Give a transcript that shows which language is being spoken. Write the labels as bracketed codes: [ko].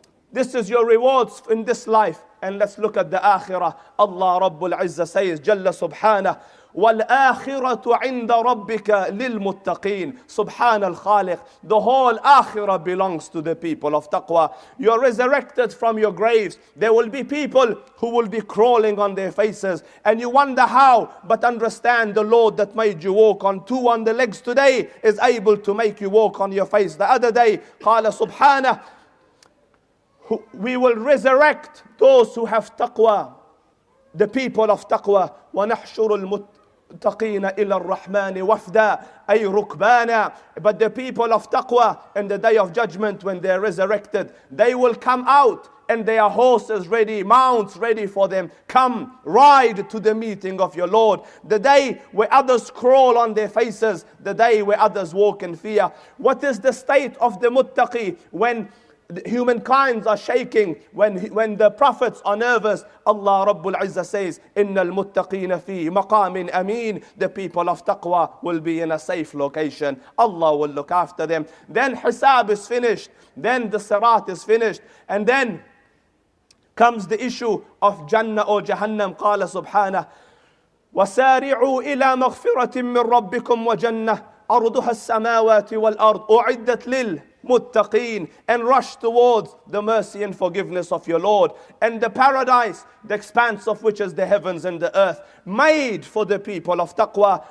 [en] This is your rewards in this life. And let's look at the Akhirah. Allah Rabbul Izzah says, [ar] جَلَّ سُبْحَانَهُ وَالْآخِرَةُ عِنْدَ رَبِّكَ لِلْمُتَّقِينَ. سُبْحَانَ الْخَالِقِ. [en] The whole Akhirah belongs to the people of taqwa. You're resurrected from your graves. There will be people who will be crawling on their faces. And you wonder how, but understand the Lord that made you walk on two on the legs today is able to make you walk on your face. The other day, [ar] قَالَ سُبْحَانَهُ. [en] We will resurrect those who have taqwa, the people of taqwa. [ar] وَنَحْشُرُ الْمُتَّقِينَ تَقِينَ إِلَى الرَّحْمَانِ وَفْدًا أَيْ رُكْبَانًا. [en] But the people of taqwa in the day of judgment when they're resurrected, they will come out and their horses ready, mounts ready for them. Come, ride to the meeting of your Lord. The day where others crawl on their faces, the day where others walk in fear. What is the state of the muttaqi when humankind are shaking, when the prophets are nervous? Allah Rabbul Izzah says, [ar] إِنَّ الْمُتَّقِينَ فِي مَقَامٍ أَمِينٍ. [en] The people of taqwa will be in a safe location. Allah will look after them. Then hisab is finished. Then the sirat is finished. And then comes the issue of Jannah or Jahannam. [ar] قَالَ سُبْحَانَهُ وَسَارِعُوا إِلَى مَغْفِرَةٍ مِّن رَبِّكُمْ وَجَنَّةٍ أَرْضُهَا السَّمَاوَاتِ وَالْأَرْضُ أُعِدَّتْ لِلْ [en] muttaqeen, and rush towards the mercy and forgiveness of your Lord, and the paradise, the expanse of which is the heavens and the earth, made for the people of taqwa.